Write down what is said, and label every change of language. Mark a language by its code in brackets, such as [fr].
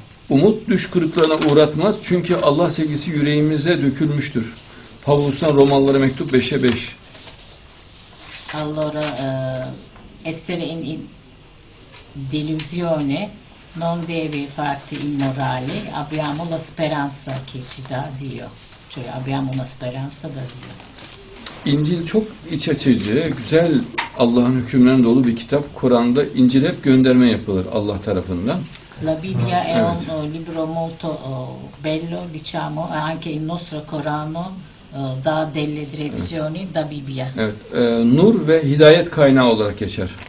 [tr] Umut düş kırıklığına uğratmaz çünkü Allah sevgisi yüreğimize dökülmüştür. Pavlus'tan Romalılara mektup 5'e 5. [it] Allora essere in delusione non deve farti immorale, abbiamo la speranza che ci dà Dio. Cioè abbiamo una speranza da Dio. [tr] İncil çok iç açıcı, güzel Allah'ın hükümlerine dolu bir kitap. Kur'an'da İncil hep gönderme yapılır Allah tarafından. [it] La Bibbia è un libro molto bello, diciamo, anche il nostro Corano dà delle direzioni da Bibbia. [tr] Evet, nur ve hidayet kaynağı olarak geçer.